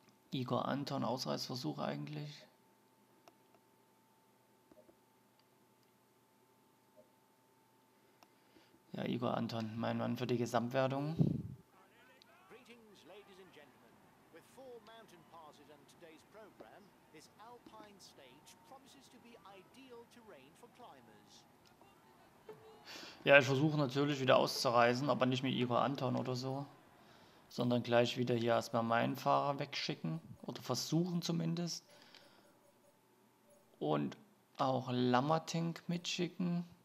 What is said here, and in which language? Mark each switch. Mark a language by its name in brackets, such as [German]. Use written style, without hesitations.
[German] Igor Anton, Ausreißversuch eigentlich. Ja, Igor Anton, mein Mann für die Gesamtwertung. [English] Greetings, ladies and gentlemen. With four mountain passes and today's program, this alpine stage promises to be ideal terrain for climbers. [German] Ja, ich versuche natürlich wieder auszureisen, aber nicht mit Igor Anton oder so. Sondern gleich wieder hier erstmal meinen Fahrer wegschicken. Oder versuchen zumindest. Und auch Lamartink mitschicken.